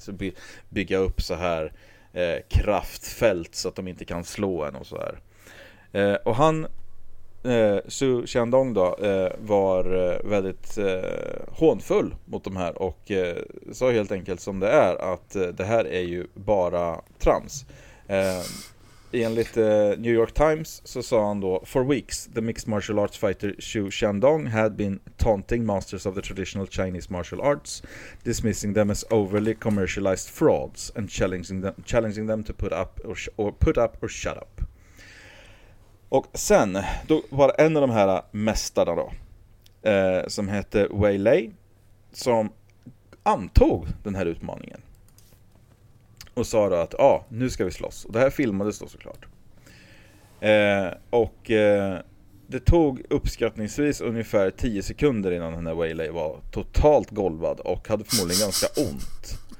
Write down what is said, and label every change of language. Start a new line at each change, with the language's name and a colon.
Swedish: Så bygga upp så här kraftfält så att de inte kan slå en och så här. Och han Su Xiandong då var väldigt hånfull mot de här och sa helt enkelt som det är att det här är ju bara trams. Enligt New York Times så sa han då:
English: "For weeks, the mixed martial arts fighter Su Xiandong had been taunting masters of the traditional Chinese martial arts, dismissing them as overly commercialized frauds and challenging them to put up or shut up.
Swedish: Och sen, då var det en av de här mästarna då, som hette Wei Lei, som antog den här utmaningen. Och sa då att, nu ska vi slåss. Och det här filmades då såklart. Och det tog uppskattningsvis ungefär 10 sekunder innan den här Wei Lei var totalt golvad och hade förmodligen ganska ont.